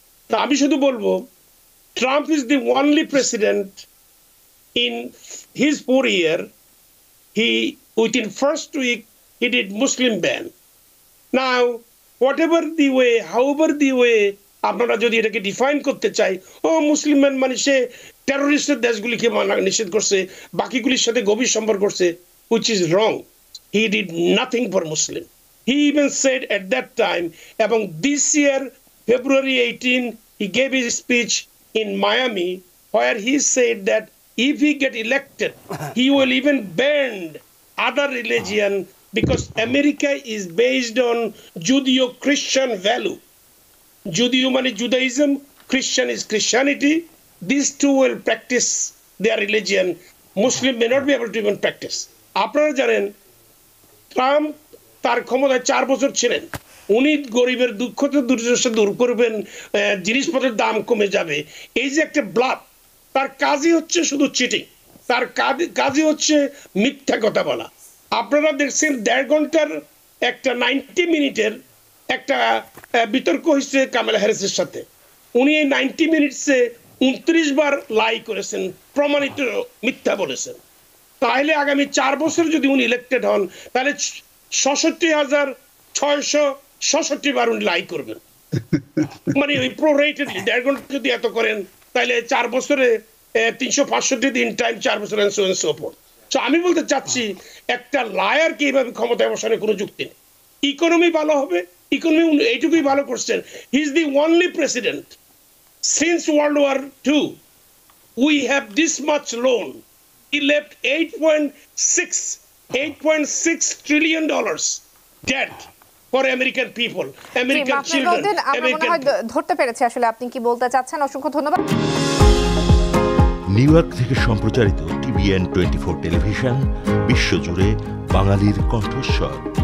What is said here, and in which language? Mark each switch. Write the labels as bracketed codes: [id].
[bn] তা আমি শুধু বলবো, [en] Trump is the only president in his four year he within first week he did Muslim ban. Now whatever the way, [bn] how ever the way আপনারা যদি এটাকে define করতে চাই, ও মুসলিম ban মানে সে টেরোরিস্টের দেশগুলিকে নিষেধ করছে, বাকিগুলির সাথে গভীর সম্পর্ক করছে, [en] Which is wrong. He did nothing for Muslim. He even said at that time, among this year, February 18, he gave his speech in Miami, where he said that if he get elected, he will even ban other religion because America is based on Judeo-Christian value. Judeo means Judaism, Christian is Christianity. These two will practice their religion. Muslim may not be able to even practice. [bn] আপনারা জানেন, Trump তার ক্ষমতায় 4 বছর ছিলেন, উনি গরিবের দুঃখ দুর্দশা দূর করবেন, জিনিসপত্রের দাম কমে যাবে, এই যে একটা ব্লাফ। তার কাজই হচ্ছে শুধু চিটিং, তার কাজই হচ্ছে মিথ্যা কথা বলা। আপনারা দেখছেন 1.5 ঘন্টার একটা 90 মিনিটের একটা বিতর্ক হয়েছে কামালা হ্যারিসের সাথে, উনি এই 90 মিনিটসে 29 বার লাই করেছেন, প্রমাণিত মিথ্যা বলেছেন। তাহলে আগামী 4 বছর যদি উনি ইলেক্টেড হন, তাহলে 67,667 বার উনি লাই করবেন, মানে ওই প্রোরেটেড 1.5 ঘন্টা যদি এত করেন, তাহলে 4 বছরে 365 দিন টাইম, 4 বছর সপোর্ট। তো আমি বলতে চাচ্ছি, একটা লায়ার কে এইভাবে ক্ষমতায় বসানোর কোনো যুক্তি নেই। ইকোনমি ভালো হবে, ইকোনমি উনি এইটুকুই ভালো করছেন। [en] He is the only president since World War Two we have this much loan. He left $8.6 trillion debt for American people, American children, American people. [bn] ধরতে পেরেছি আসলে আপনি কি বলতে চাচ্ছেন। অসংখ্য ধন্যবাদ। নিউ ইয়র্ক থেকে সম্প্রচারিত TBN 24 টেলিভিশন বিশ্বজুড়ে বাঙালির কণ্ঠস্বর।